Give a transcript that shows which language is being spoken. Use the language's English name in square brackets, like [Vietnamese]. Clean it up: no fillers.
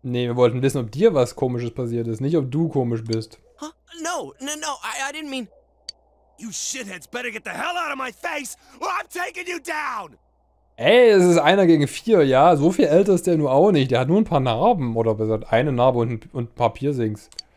[German] Nee, wir wollten wissen, ob dir was Komisches passiert ist, nicht ob du komisch bist. [English] Huh? No, I didn't mean... You shitheads better get the hell out of my face, or I'm taking you down! [German] Ey, es ist einer gegen vier, ja, so viel älter ist der nur auch nicht. Der hat nur ein paar Narben, oder besser gesagt, eine Narbe und ein paar Piercings.